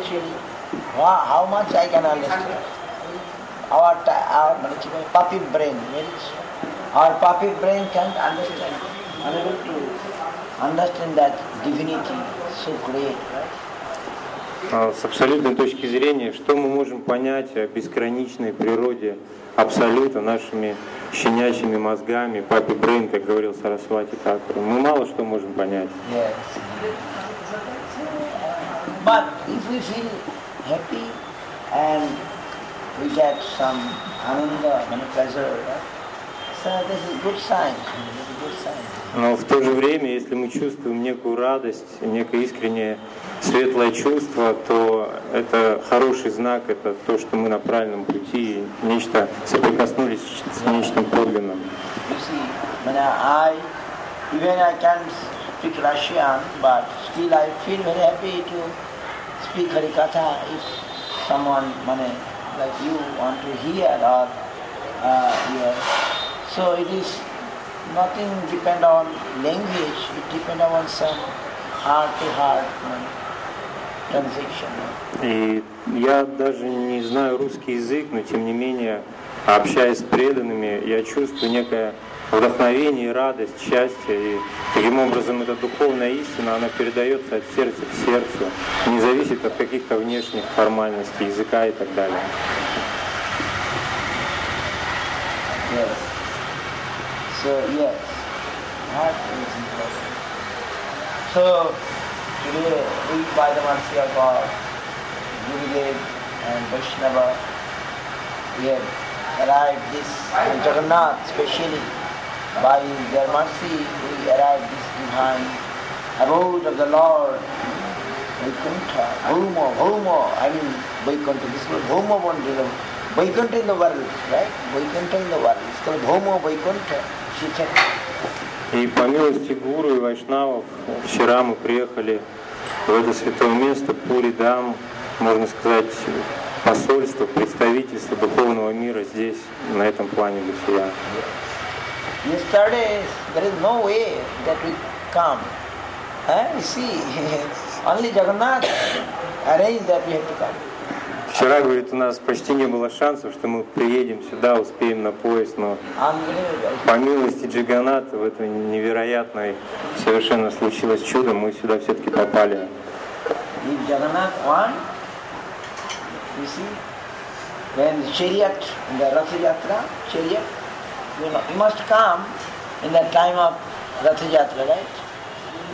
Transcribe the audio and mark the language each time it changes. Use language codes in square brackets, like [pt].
[en] How much I can understand? Our puppy brain, our puppy brain can't understand, unable to understand that divinity so great. [ru] С абсолютной точки зрения, что мы можем понять о бесграничной природе Абсолюта нашими щенячьими мозгами, [en] puppy brain, [ru] как говорил Сарасвати Такур, мы мало что можем понять. [en] Yes. But if we feel happy and we get some ananda, many pleasure. So this is good sign. [ru] Но в то же время, если мы чувствуем некую радость, некое искреннее светлое чувство, то это хороший знак, это то, что мы на правильном пути, нечто соприкоснулись с нечто подлинным. [en] You see, when I even I can speak Russian, but still I feel very happy to speak Harikatha if someone like you want to hear or hear. So it is nothing depend on language, it depend on some heart to heart transition. [ru] И я даже не знаю русский язык, но тем не менее, общаясь с преданными, я чувствую некое вдохновение, радость, счастье, и таким образом эта духовная истина, она передается от сердца к сердцу, не зависит от каких-то внешних формальностей, языка и так далее. [en] Yes. So, yes. That is important. So, today we by the mercy of God, Gurudev and Vaishnava, we have arrived this Jagannath specially. By their mercy, we arrive this divine abode of the Lord, Vaikuntha, Bhuma, Vaikuntha, this is called Bhuma Vandilam, Vaikuntha in the world, right? Vaikuntha in the world, it's called Bhuma Vaikuntha, Shichakra. [ru] И по милости Гуру и Вайшнавов, вчера мы приехали в это святое место, Пуридам, можно сказать, посольство, представительство духовного мира здесь, на этом плане бытия. [en] Yesterday, there is no way that we come. You see, only Jagannath arranged that we have to come. [ru] Вчера, говорит, у нас почти не было шансов, что мы приедем сюда, успеем на поезд, но по милости Джаганнатха, в это невероятное совершенно случилось чудо, мы сюда все-таки попали. [en] If Jagannath won, you see, then chariot, the Ratha Yatra, chariot, you must come in the time of Ratha Yatra, right?